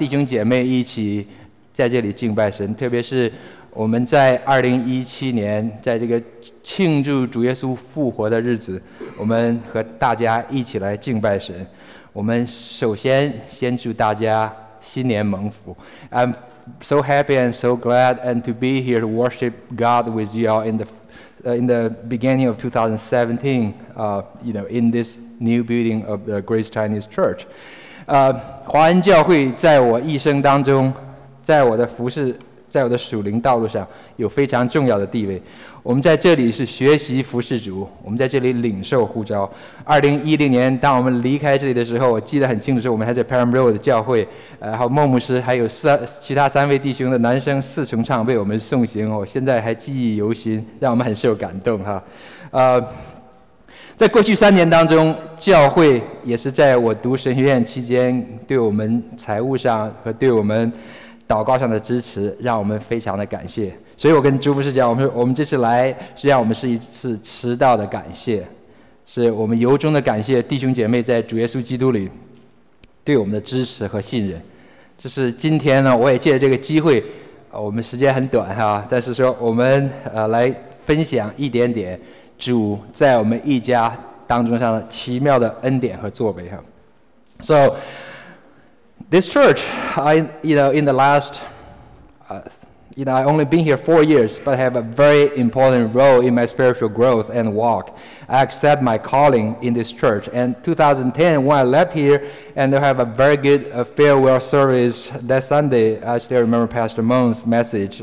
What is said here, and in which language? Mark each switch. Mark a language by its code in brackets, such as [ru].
[zh] 弟兄姐妹一起在这里敬拜神，特别是我们在2017年在这个庆祝主耶稣复活的日子，我们和大家一起来敬拜神。我们首先先祝大家新年蒙福。 [en] I'm so happy and so glad and to be here to worship God with you all in the beginning of 2017, you know, in this new building of the Grace Chinese Church. [zh] 华恩教会在我一生当中，在我的服事，在我的属灵道路上有非常重要的地位。我们在这里是学习服事主，我们在这里领受呼召。 2010年，当我们离开这里的时候，我记得很清楚，是我们还在 Param Road 的教会，然后孟牧师还有其他三位弟兄的男生四重唱为我们送行，我现在还记忆犹新，让我们很受感动哈。在过去3年当中，教会也是在我读神学院期间，对我们财务上和对我们祷告上的支持，让我们非常的感谢。所以我跟朱牧师讲，我们这次来，实际上我们是一次迟到的感谢，是我们由衷的感谢弟兄姐妹在主耶稣基督里对我们的支持和信任。这是今天呢，我也借着这个机会，我们时间很短哈，但是说我们来分享一点点主在我们一家当中上的奇妙的恩典和作为哈。 [en] So this church, in the last, you know, I've only been here 4 years, but I have a very important role in my spiritual growth and walk. I accept my calling in this church. And 2010, when I left here, and they have a very good farewell service that Sunday, I still remember Pastor Moon's message.